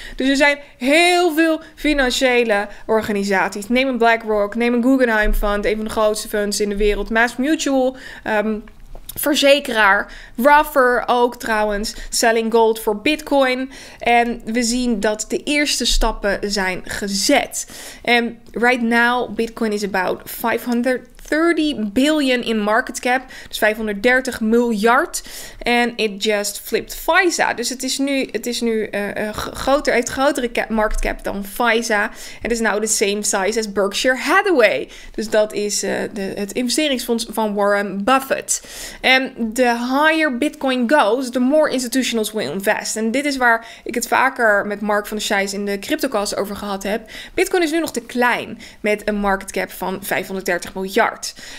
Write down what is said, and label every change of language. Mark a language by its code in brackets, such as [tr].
[nl] Dus er zijn heel veel financiële organisaties. Neem een BlackRock, neem een Guggenheim Fund, een van de grootste funds in de wereld, MassMutual, verzekeraar, Ruffer ook trouwens, [en] selling gold for Bitcoin. [nl] En we zien dat de eerste stappen zijn gezet. [en] En right now, Bitcoin is about 530 billion in market cap. [nl] Dus 530 miljard. En [en] it just flipped FISA. [nl] Dus het heeft grotere market cap dan FISA. [en] It is now the same size as Berkshire Hathaway. [nl] Dus dat is het investeringsfonds van Warren Buffett. [en] And the higher Bitcoin goes, the more institutionals will invest. [nl] En dit is waar ik het vaker met Mark van der Sijs in de CryptoCast over gehad heb. Bitcoin is nu nog te klein met een market cap van 530 miljard.